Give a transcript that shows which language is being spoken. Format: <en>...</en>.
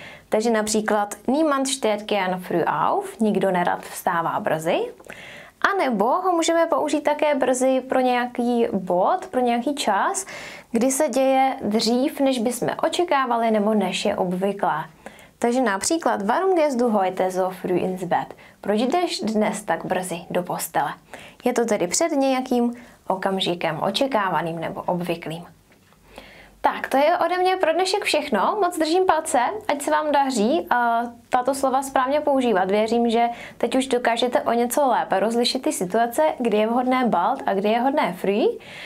<de>Takže například niemand steht gern früh auf,</de> <cs>nikdo nerad vstává brzy. A nebo ho můžeme použít také brzy pro nějaký bod, pro nějaký čas, kdy se děje dřív, než bychom očekávali nebo než je obvyklé. Takže například</cs> <de>warum gehst du heute so früh ins Bett?</de> <cs>Proč jdeš dnes tak brzy do postele? Je to tedy před nějakým okamžikem očekávaným nebo obvyklým. Tak, to je ode mě pro dnešek všechno. Moc držím palce, ať se vám daří tato slova správně používat. Věřím, že teď už dokážete o něco lépe rozlišit ty situace, kdy je vhodné bald a kdy je vhodné früh.</cs>